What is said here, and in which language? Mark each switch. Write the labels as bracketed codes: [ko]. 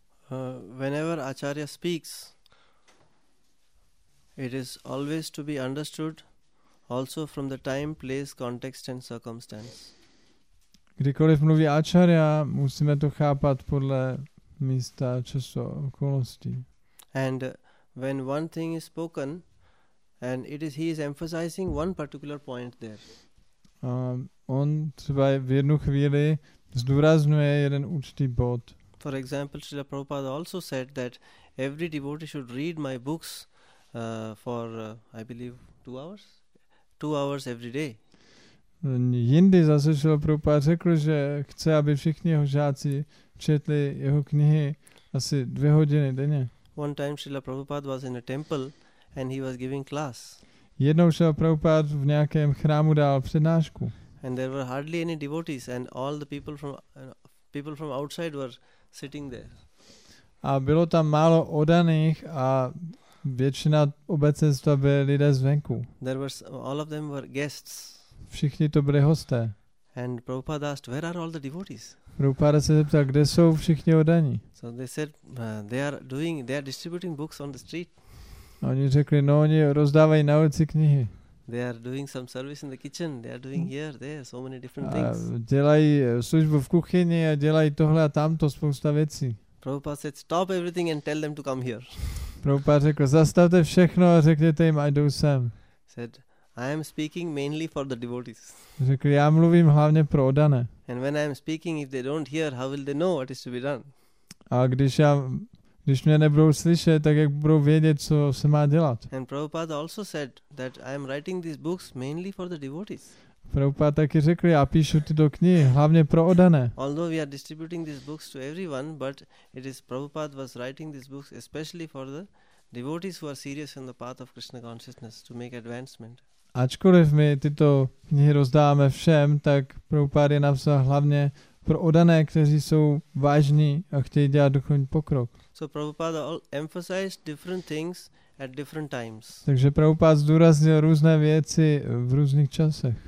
[en] Whenever Acharya speaks, it is always to be understood also from the time, place, context and circumstance. [cs] Kdykoliv mluví Acharya, musíme to chápat podle místa, času, okolností. [en] And when one thing is spoken, and he is emphasizing one particular point there. [cs] On třeba v jednu chvíli zdůrazňuje jeden určitý bod. [en] For example, Srila Prabhupada also said that every devotee should read my books for 2 hours? 2 hours every day. [cs] Jindy zase Srila Prabhupada řekl, že chce, aby všichni jeho žáci četli jeho knihy asi 2 hodiny denně. [en] One time Srila Prabhupada was in a temple and he was giving class. [cs] Jednou Srila Prabhupada v nějakém chrámu dal přednášku. [en] And there were hardly any devotees and all the people from outside were sitting there. [cs] A bylo tam málo odaných a většina obecenstva byly lidé zvenku. [en] There were all of them were guests. [cs] Všichni to byli hosté. [en] And Prabhupada asked, where are all the devotees? [cs] Prabhupada se zeptal, kde jsou všichni odaní? [en] So they said, they are distributing books on the street. [cs] A oni řekli, no oni rozdávají na ulici knihy. [en] They are doing some service in the kitchen. They are doing here, there, so many different things. [cs] Dělají službu v kuchyni a dělají tohle a tamto, spousta věcí. [en] Prabhupada said, stop everything and tell them to come here. [cs] Prabhupada řekl, zastavte všechno a řekněte jim, ať jdou sem. [en] Said, I am speaking mainly for the devotees. [cs] Řekl, já mluvím hlavně pro odané. [en] And when I am speaking, if they don't hear, how will they know what is to be done? [cs] A když mě nebudou slyšet, tak jak budou vědět, co se má dělat. [en] And Prabhupada also said that I am writing these books mainly for the devotees. [cs] Prabhupada taky řekl, já píšu tyto knihy hlavně pro odané. [en] Although we are distributing these books to everyone, but it is Prabhupada was writing these books especially for the devotees who are serious in the path of Krishna consciousness to make advancement. [cs] Ačkoliv my tyto knihy rozdáváme všem, tak Prabhupada je napsal hlavně pro odané, kteří jsou vážní a chtějí dělat duchovní pokrok. [en] So Prabhupada emphasized different things at different times. [cs] Takže Prabhupada zdůraznil různé věci v různých časech.